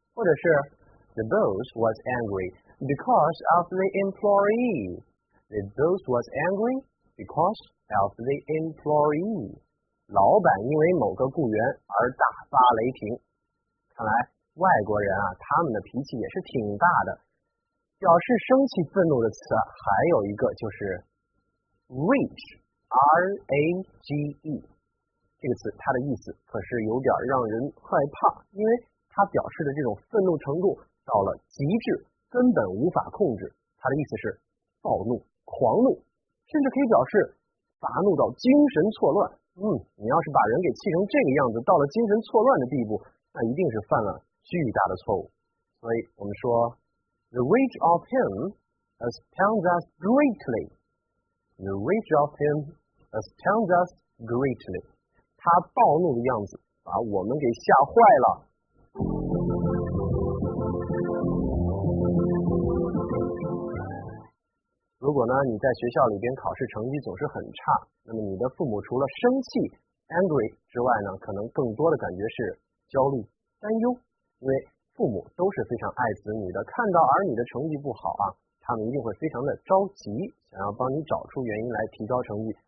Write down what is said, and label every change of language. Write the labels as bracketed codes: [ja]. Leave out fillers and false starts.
[en] 或者是 the boss was angry because of the employee， the boss was angry becauseof the employee， [zh] 老板因为某个雇员而大发雷霆。看来外国人啊，他们的脾气也是挺大的。表示生气愤怒的词啊，还有一个就是 rage， R-A-G-E 这个词，它的意思可是有点让人害怕，因为它表示的这种愤怒程度到了极致，根本无法控制。它的意思是暴怒、狂怒，甚至可以表示发怒到精神错乱。嗯，你要是把人给气成这个样子，到了精神错乱的地步，那一定是犯了巨大的错误。所以我们说 [en] The rage of him astounds us greatly. The rage of him astounds us greatly. [zh] 他暴怒的样子把我们给吓坏了。如果呢你在学校里边考试成绩总是很差，那么你的父母除了生气 angry 之外呢，可能更多的感觉是焦虑担忧，因为父母都是非常爱子女的，看到儿女的成绩不好啊，他们一定会非常的着急，想要帮你找出原因来提高成绩。